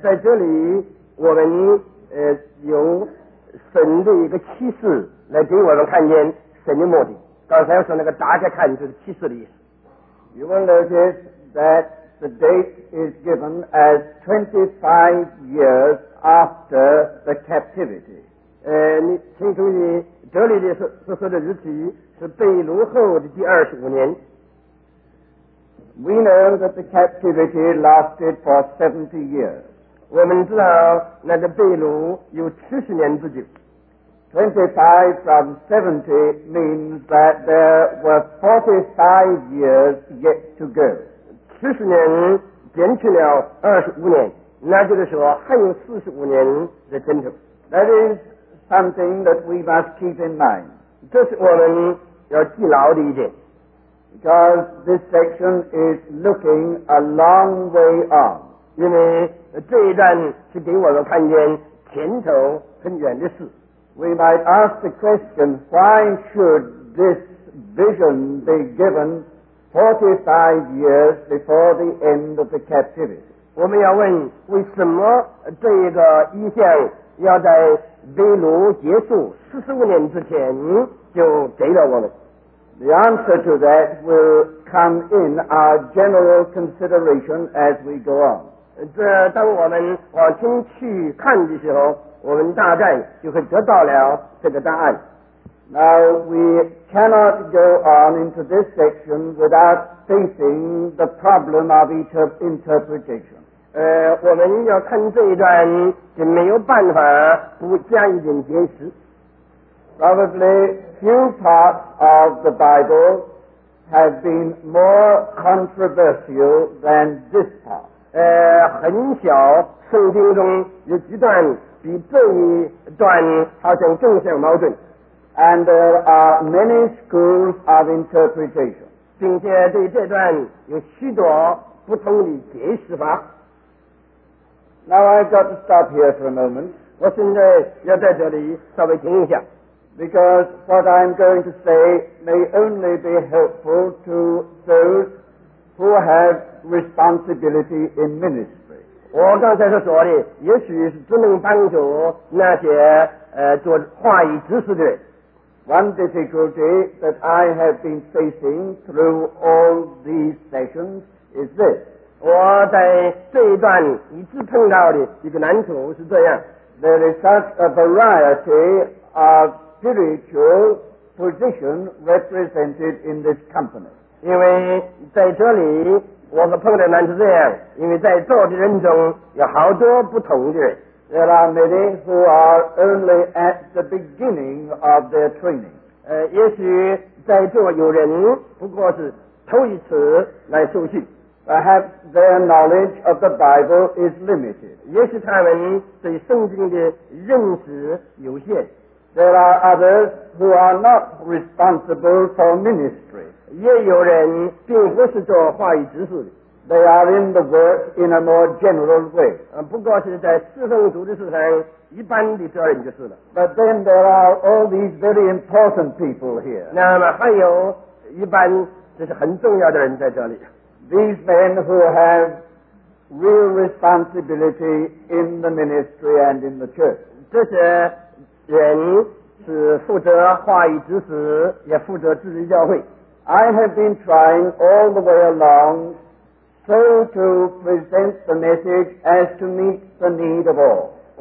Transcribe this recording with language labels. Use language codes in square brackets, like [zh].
[zh] 在这里我们由神的一个启示来给我们看见神的目的。刚才说那个打开看就是启示的意思。 [en] You will notice that the date is given as 25 years after the captivity. [zh] 你请注意这里的说的日期是被掳后的第25年。 [en] We know that the captivity lasted for 70 years. [zh] 我们知道那个被掳有70年之久。 [en] 25 from 70 means that there were 45 years yet to go. [zh] 70年减去了25年，那就是说还有45年的前途。 [en] That is something that we must keep in mind. [zh] 这是我们要记牢的一点。 [en] Because this section is looking a long way on. [zh] 因为这一段是给我们看见前头很远的事。 [en] We might ask the question, why should this vision be given 45 years before the end of the captivity? [zh] 我们要问为什么这一个意象要在被掳结束45年之前就给了我们。 [en] The answer to that will come in our general consideration as we go on. [zh] 这当我们往前去看的时候，我们大概就会得到了这个答案。 [en] Now we cannot go on into this section without facing the problem of interpretation. [zh] 我们要看这一段是没有办法不加一点解释。 [en] Probably few parts of the Bible have been more controversial than this part. [zh] 很小圣经中有几段比这一段好像正相矛盾。 [en] And there are many schools of interpretation. [zh] 并且对这段有许多不同的解释法。 [en] Now I've got to stop here for a moment. [zh] 我现在要在这里稍微停一下。 [en] Because what I'm going to say may only be helpful to those who have responsibility in ministry. [zh] 我刚才所说的也许是只能帮助那些做话语知识的人。 [en] One difficulty that I have been facing through all these sessions is this. [zh] 我在这一段一直碰到的一个难处是这样。 [en] There is such a variety of spiritual position represented in this company. [zh] 因为在这里我们碰到难是这样，因为在座的人中有好多不同的人。 [en] There are many who are only at the beginning of their training. [zh] 也许在座有人不过是头一次来受训。 [en] Perhaps their knowledge of the Bible is limited. [zh] 也许他们对圣经的认识有限。 [en] There are others who are not responsible for ministry. [zh] 也有人并不是做话语执事的。 [en] They are in the work in a more general way. [zh] 不过是在侍奉主的事上一般的责任就是了。 [en] But then there are all these very important people here. [zh] 那么还有一般就是很重要的人在这里。 [en] These men who have real responsibility in the ministry and in the church. [zh] 这些人是负责话语执事，也负责治理教会。 [en] I have been trying all the way along so to present the message as to meet the need of all.